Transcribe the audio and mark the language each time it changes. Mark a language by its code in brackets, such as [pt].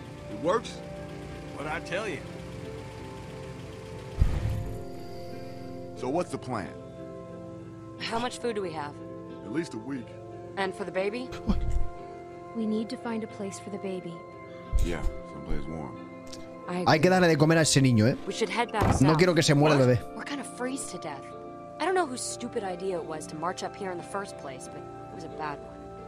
[en] It works. What I tell you. So what's the plan? How much food do we have? At least a week. And for the baby? We need to find a place for the baby. Yeah, someplace warm. [es] Hay que darle de comer a ese niño, ¿eh? No quiero que se muera el bebé. [en] We're kind of freeze to death. I don't know whose stupid idea it was to march up here in the first place, but it was a bad one.